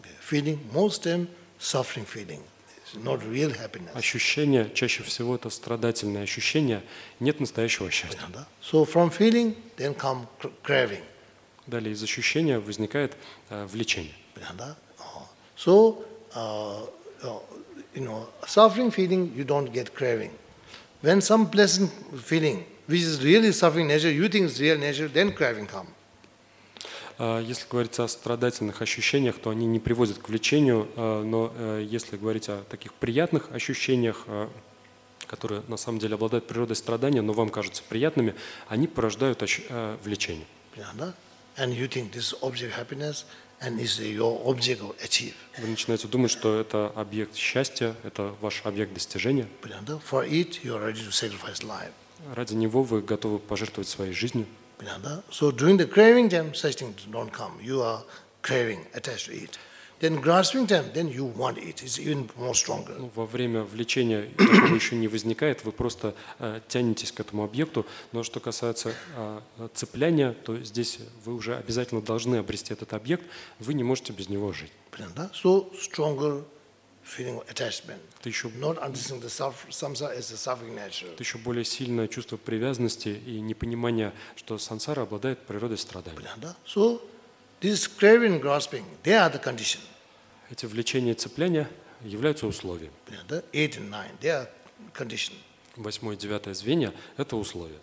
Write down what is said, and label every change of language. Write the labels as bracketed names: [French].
[English] Feeling, most of them suffering feeling. not real happiness. [Russian] Ощущение чаще всего это страдательное ощущение, нет настоящего счастья. [English] So from feeling then come craving. [Russian] Далее из ощущения возникает влечение. [English] So you know, suffering feeling you don't get craving. When some pleasant feeling, which is really suffering nature, you think is real nature, then craving come. [Russian] Если говорить о страдательных ощущениях, то они не приводят к влечению, но если говорить о таких приятных ощущениях, которые на самом деле обладают природой страдания, но вам кажутся приятными, они порождают влечение. [English] And you think this object happiness and is your object of achieve. [Russian] Вы начинаете думать, что это объект счастья, это ваш объект достижения. [English] For it you are ready to sacrifice life. [Russian] Ради него вы готовы пожертвовать своей жизнью. [English] So during the craving time, such things don't come. You are craving, attached to it. Then grasping time, then you want it. It's even more stronger. [Russian] Во время влечения такого еще не возникает. Вы просто тянетесь к этому объекту. Но что касается цепляния, то здесь вы уже обязательно должны обрести этот объект. Вы не можете без него жить. [English] So stronger feeling of attachment. [Russian] Ты еще более сильное чувство привязанности и непонимание, что сансара обладает природой страдания. [English] So, this craving, grasping, they are the condition. [Russian] Эти влечения и цепляния являются условием. [English] Eight and nine, they are condition. [Russian] Восьмое и девятое звенья – это условия.